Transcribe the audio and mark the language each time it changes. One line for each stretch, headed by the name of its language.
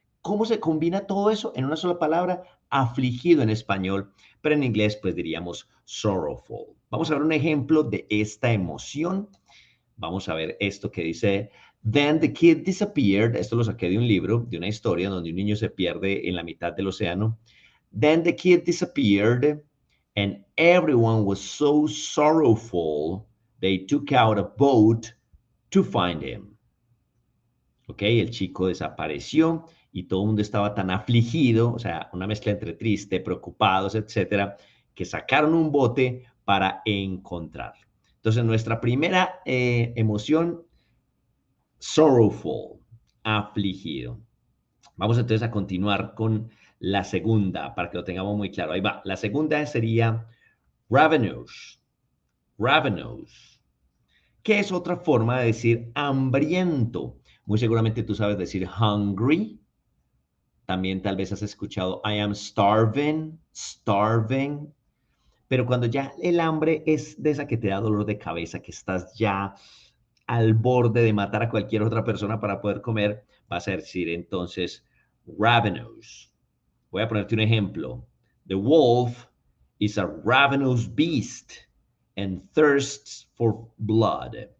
Spanish: ¿Cómo se combina todo eso en una sola palabra? Afligido en español, pero en inglés, pues diríamos sorrowful. Vamos a ver un ejemplo de esta emoción. Vamos a ver esto que dice. Then the kid disappeared. Esto lo saqué de un libro, de una historia donde un niño se pierde en la mitad del océano.
English: Then the kid disappeared and everyone was so sorrowful they took out a boat to find him.
Spanish: Ok, el chico desapareció y todo el mundo estaba tan afligido, o sea, una mezcla entre triste, preocupados, etcétera, que sacaron un bote para encontrarlo. Entonces, nuestra primera emoción. Sorrowful, afligido. Vamos entonces a continuar con la segunda para que lo tengamos muy claro. Ahí va. La segunda sería ravenous. Ravenous. ¿Qué es otra forma de decir hambriento? Muy seguramente tú sabes decir hungry. También tal vez has escuchado I am starving, starving. Pero cuando ya el hambre es de esa que te da dolor de cabeza, que estás ya al borde de matar a cualquier otra persona para poder comer, vas a decir entonces, ravenous. Voy a ponerte un ejemplo.
English: The wolf is a ravenous beast and thirsts for blood.